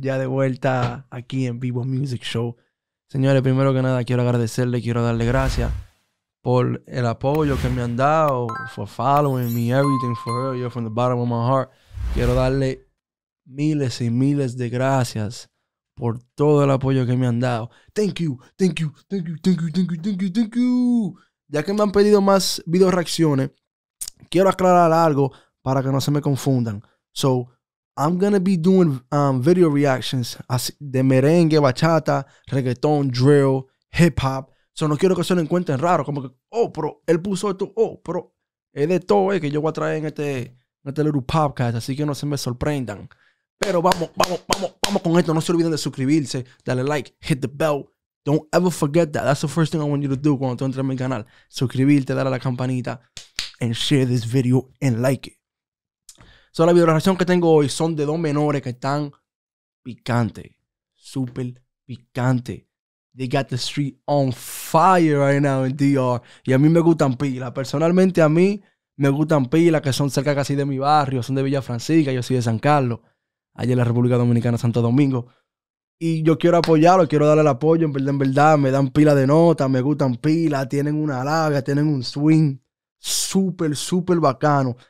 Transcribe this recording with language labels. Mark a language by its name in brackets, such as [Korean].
[Spanish] Ya de vuelta aquí en Vivo Music Show. Señores, primero que nada quiero agradecerle, quiero darle gracias por el apoyo que me han dado, [English] for following me, everything for real, yo from the bottom of my heart. [Spanish] Quiero darle miles y miles de gracias por todo el apoyo que me han dado. [English] Thank you, thank you, thank you, thank you, thank you, thank you, thank you. [Spanish] Ya que me han pedido más video reacciones, quiero aclarar algo para que no se me confundan. [English] So, I'm going to be doing video reactions de merengue, bachata, reggaetón, drill, hip hop. [Spanish] So, no quiero que se lo encuentren raro. Como que, oh, pero él puso esto. Oh, pero es de todo que yo voy a traer en este [English] little podcast. [Spanish] Así que no se me sorprendan. Pero vamos con esto. No se olviden de suscribirse, darle like, [English] hit the bell. Don't ever forget that. That's the first thing I want you to do [Spanish] cuando tú entres a mi canal. Suscribirte, darle a la campanita, [English] and share this video and like it. [Spanish] So, la videoreacción que tengo hoy son de dos menores que están picante, súper picante. [English] They got the street on fire right now in DR. [Spanish] Y a mí me gustan pila. Personalmente a mí me gustan pila que son cerca casi de mi barrio. Son de Villa Francisca, yo soy de San Carlos. Allá en la República Dominicana, Santo Domingo. Y yo quiero apoyarlo, quiero darle el apoyo. En verdad, me dan pila de notas, me gustan pila. Tienen una labia, tienen un swing súper, súper bacano.